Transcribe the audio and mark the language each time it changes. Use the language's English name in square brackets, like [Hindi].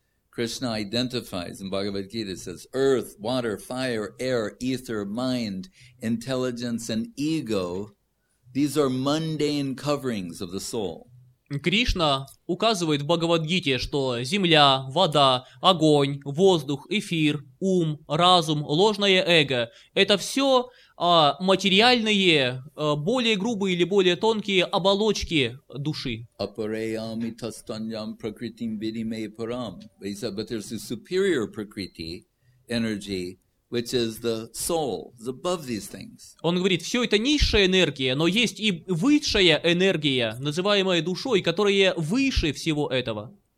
[English] Krishna identifies in Bhagavad Gita, says, earth, water, fire, air, ether, mind, intelligence, and ego, these are mundane coverings of the soul. [Russian] Кришна указывает в Бхагавад-гите, что земля, вода, огонь, воздух, эфир, ум, разум, ложное эго — это все материальные, более грубые или более тонкие оболочки души. [English] But there's a superior prakriti energy, which is the soul, is above these things. [Russian] Он говорит, все это низшая энергия, но есть и высшая энергия, называемая душой, которая выше всего этого.